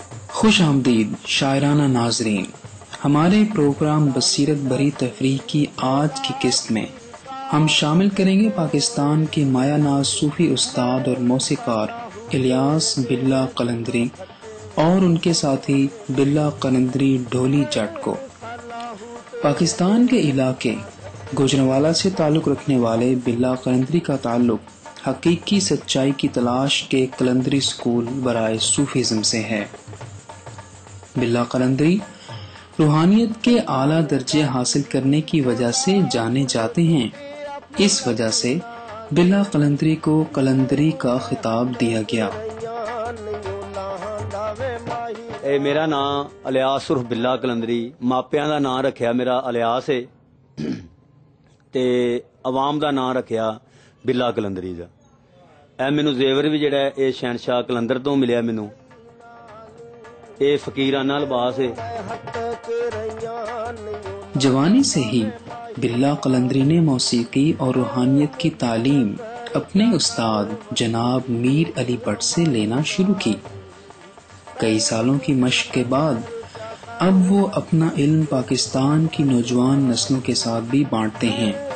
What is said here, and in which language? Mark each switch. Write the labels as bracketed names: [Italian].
[Urdu] खुश आमदीद शायराना नाजरीन ہمارے پروگرام بصیرت بھری تفریح کی آج کی قسط میں ہم شامل کریں گے پاکستان کے مایا ناز صوفی استاد اور موسیقار الیاس بلہ قلندری اور ان کے ساتھی بلہ قلندری ڈھولی جٹ کو پاکستان کے علاقے گوجرانوالا سے تعلق رکھنے والے بلہ قلندری کا تعلق حقیقی سچائی کی تلاش کے قلندری سکول برائے صوفیزم سے ہے بلہ قلندری روحانیت کے اعلیٰ درجے حاصل کرنے کی وجہ سے جانے جاتے ہیں اس وجہ سے بلہ قلندری کو قلندری کا خطاب دیا گیا [Punjabi] اے میرا نام الیاس عرف بلہ قلندری ماپیاں دا نام رکھیا میرا الیاس ہے تے عوام دا نام رکھیا بلہ قلندری دا اے مینوں زیور وی جڑا ہے اے شہنشاہ قلندر تو ملیا مینوں اے فقیرانہ لباس ہے [Urdu] جوانی سے ہی بلہ قلندری نے موسیقی اور روحانیت کی تعلیم اپنے استاد جناب میر علی بٹ سے لینا شروع کی کئی سالوں کی مشق کے بعد اب وہ اپنا علم پاکستان کی نوجوان نسلوں کے ساتھ بھی بانٹتے ہیں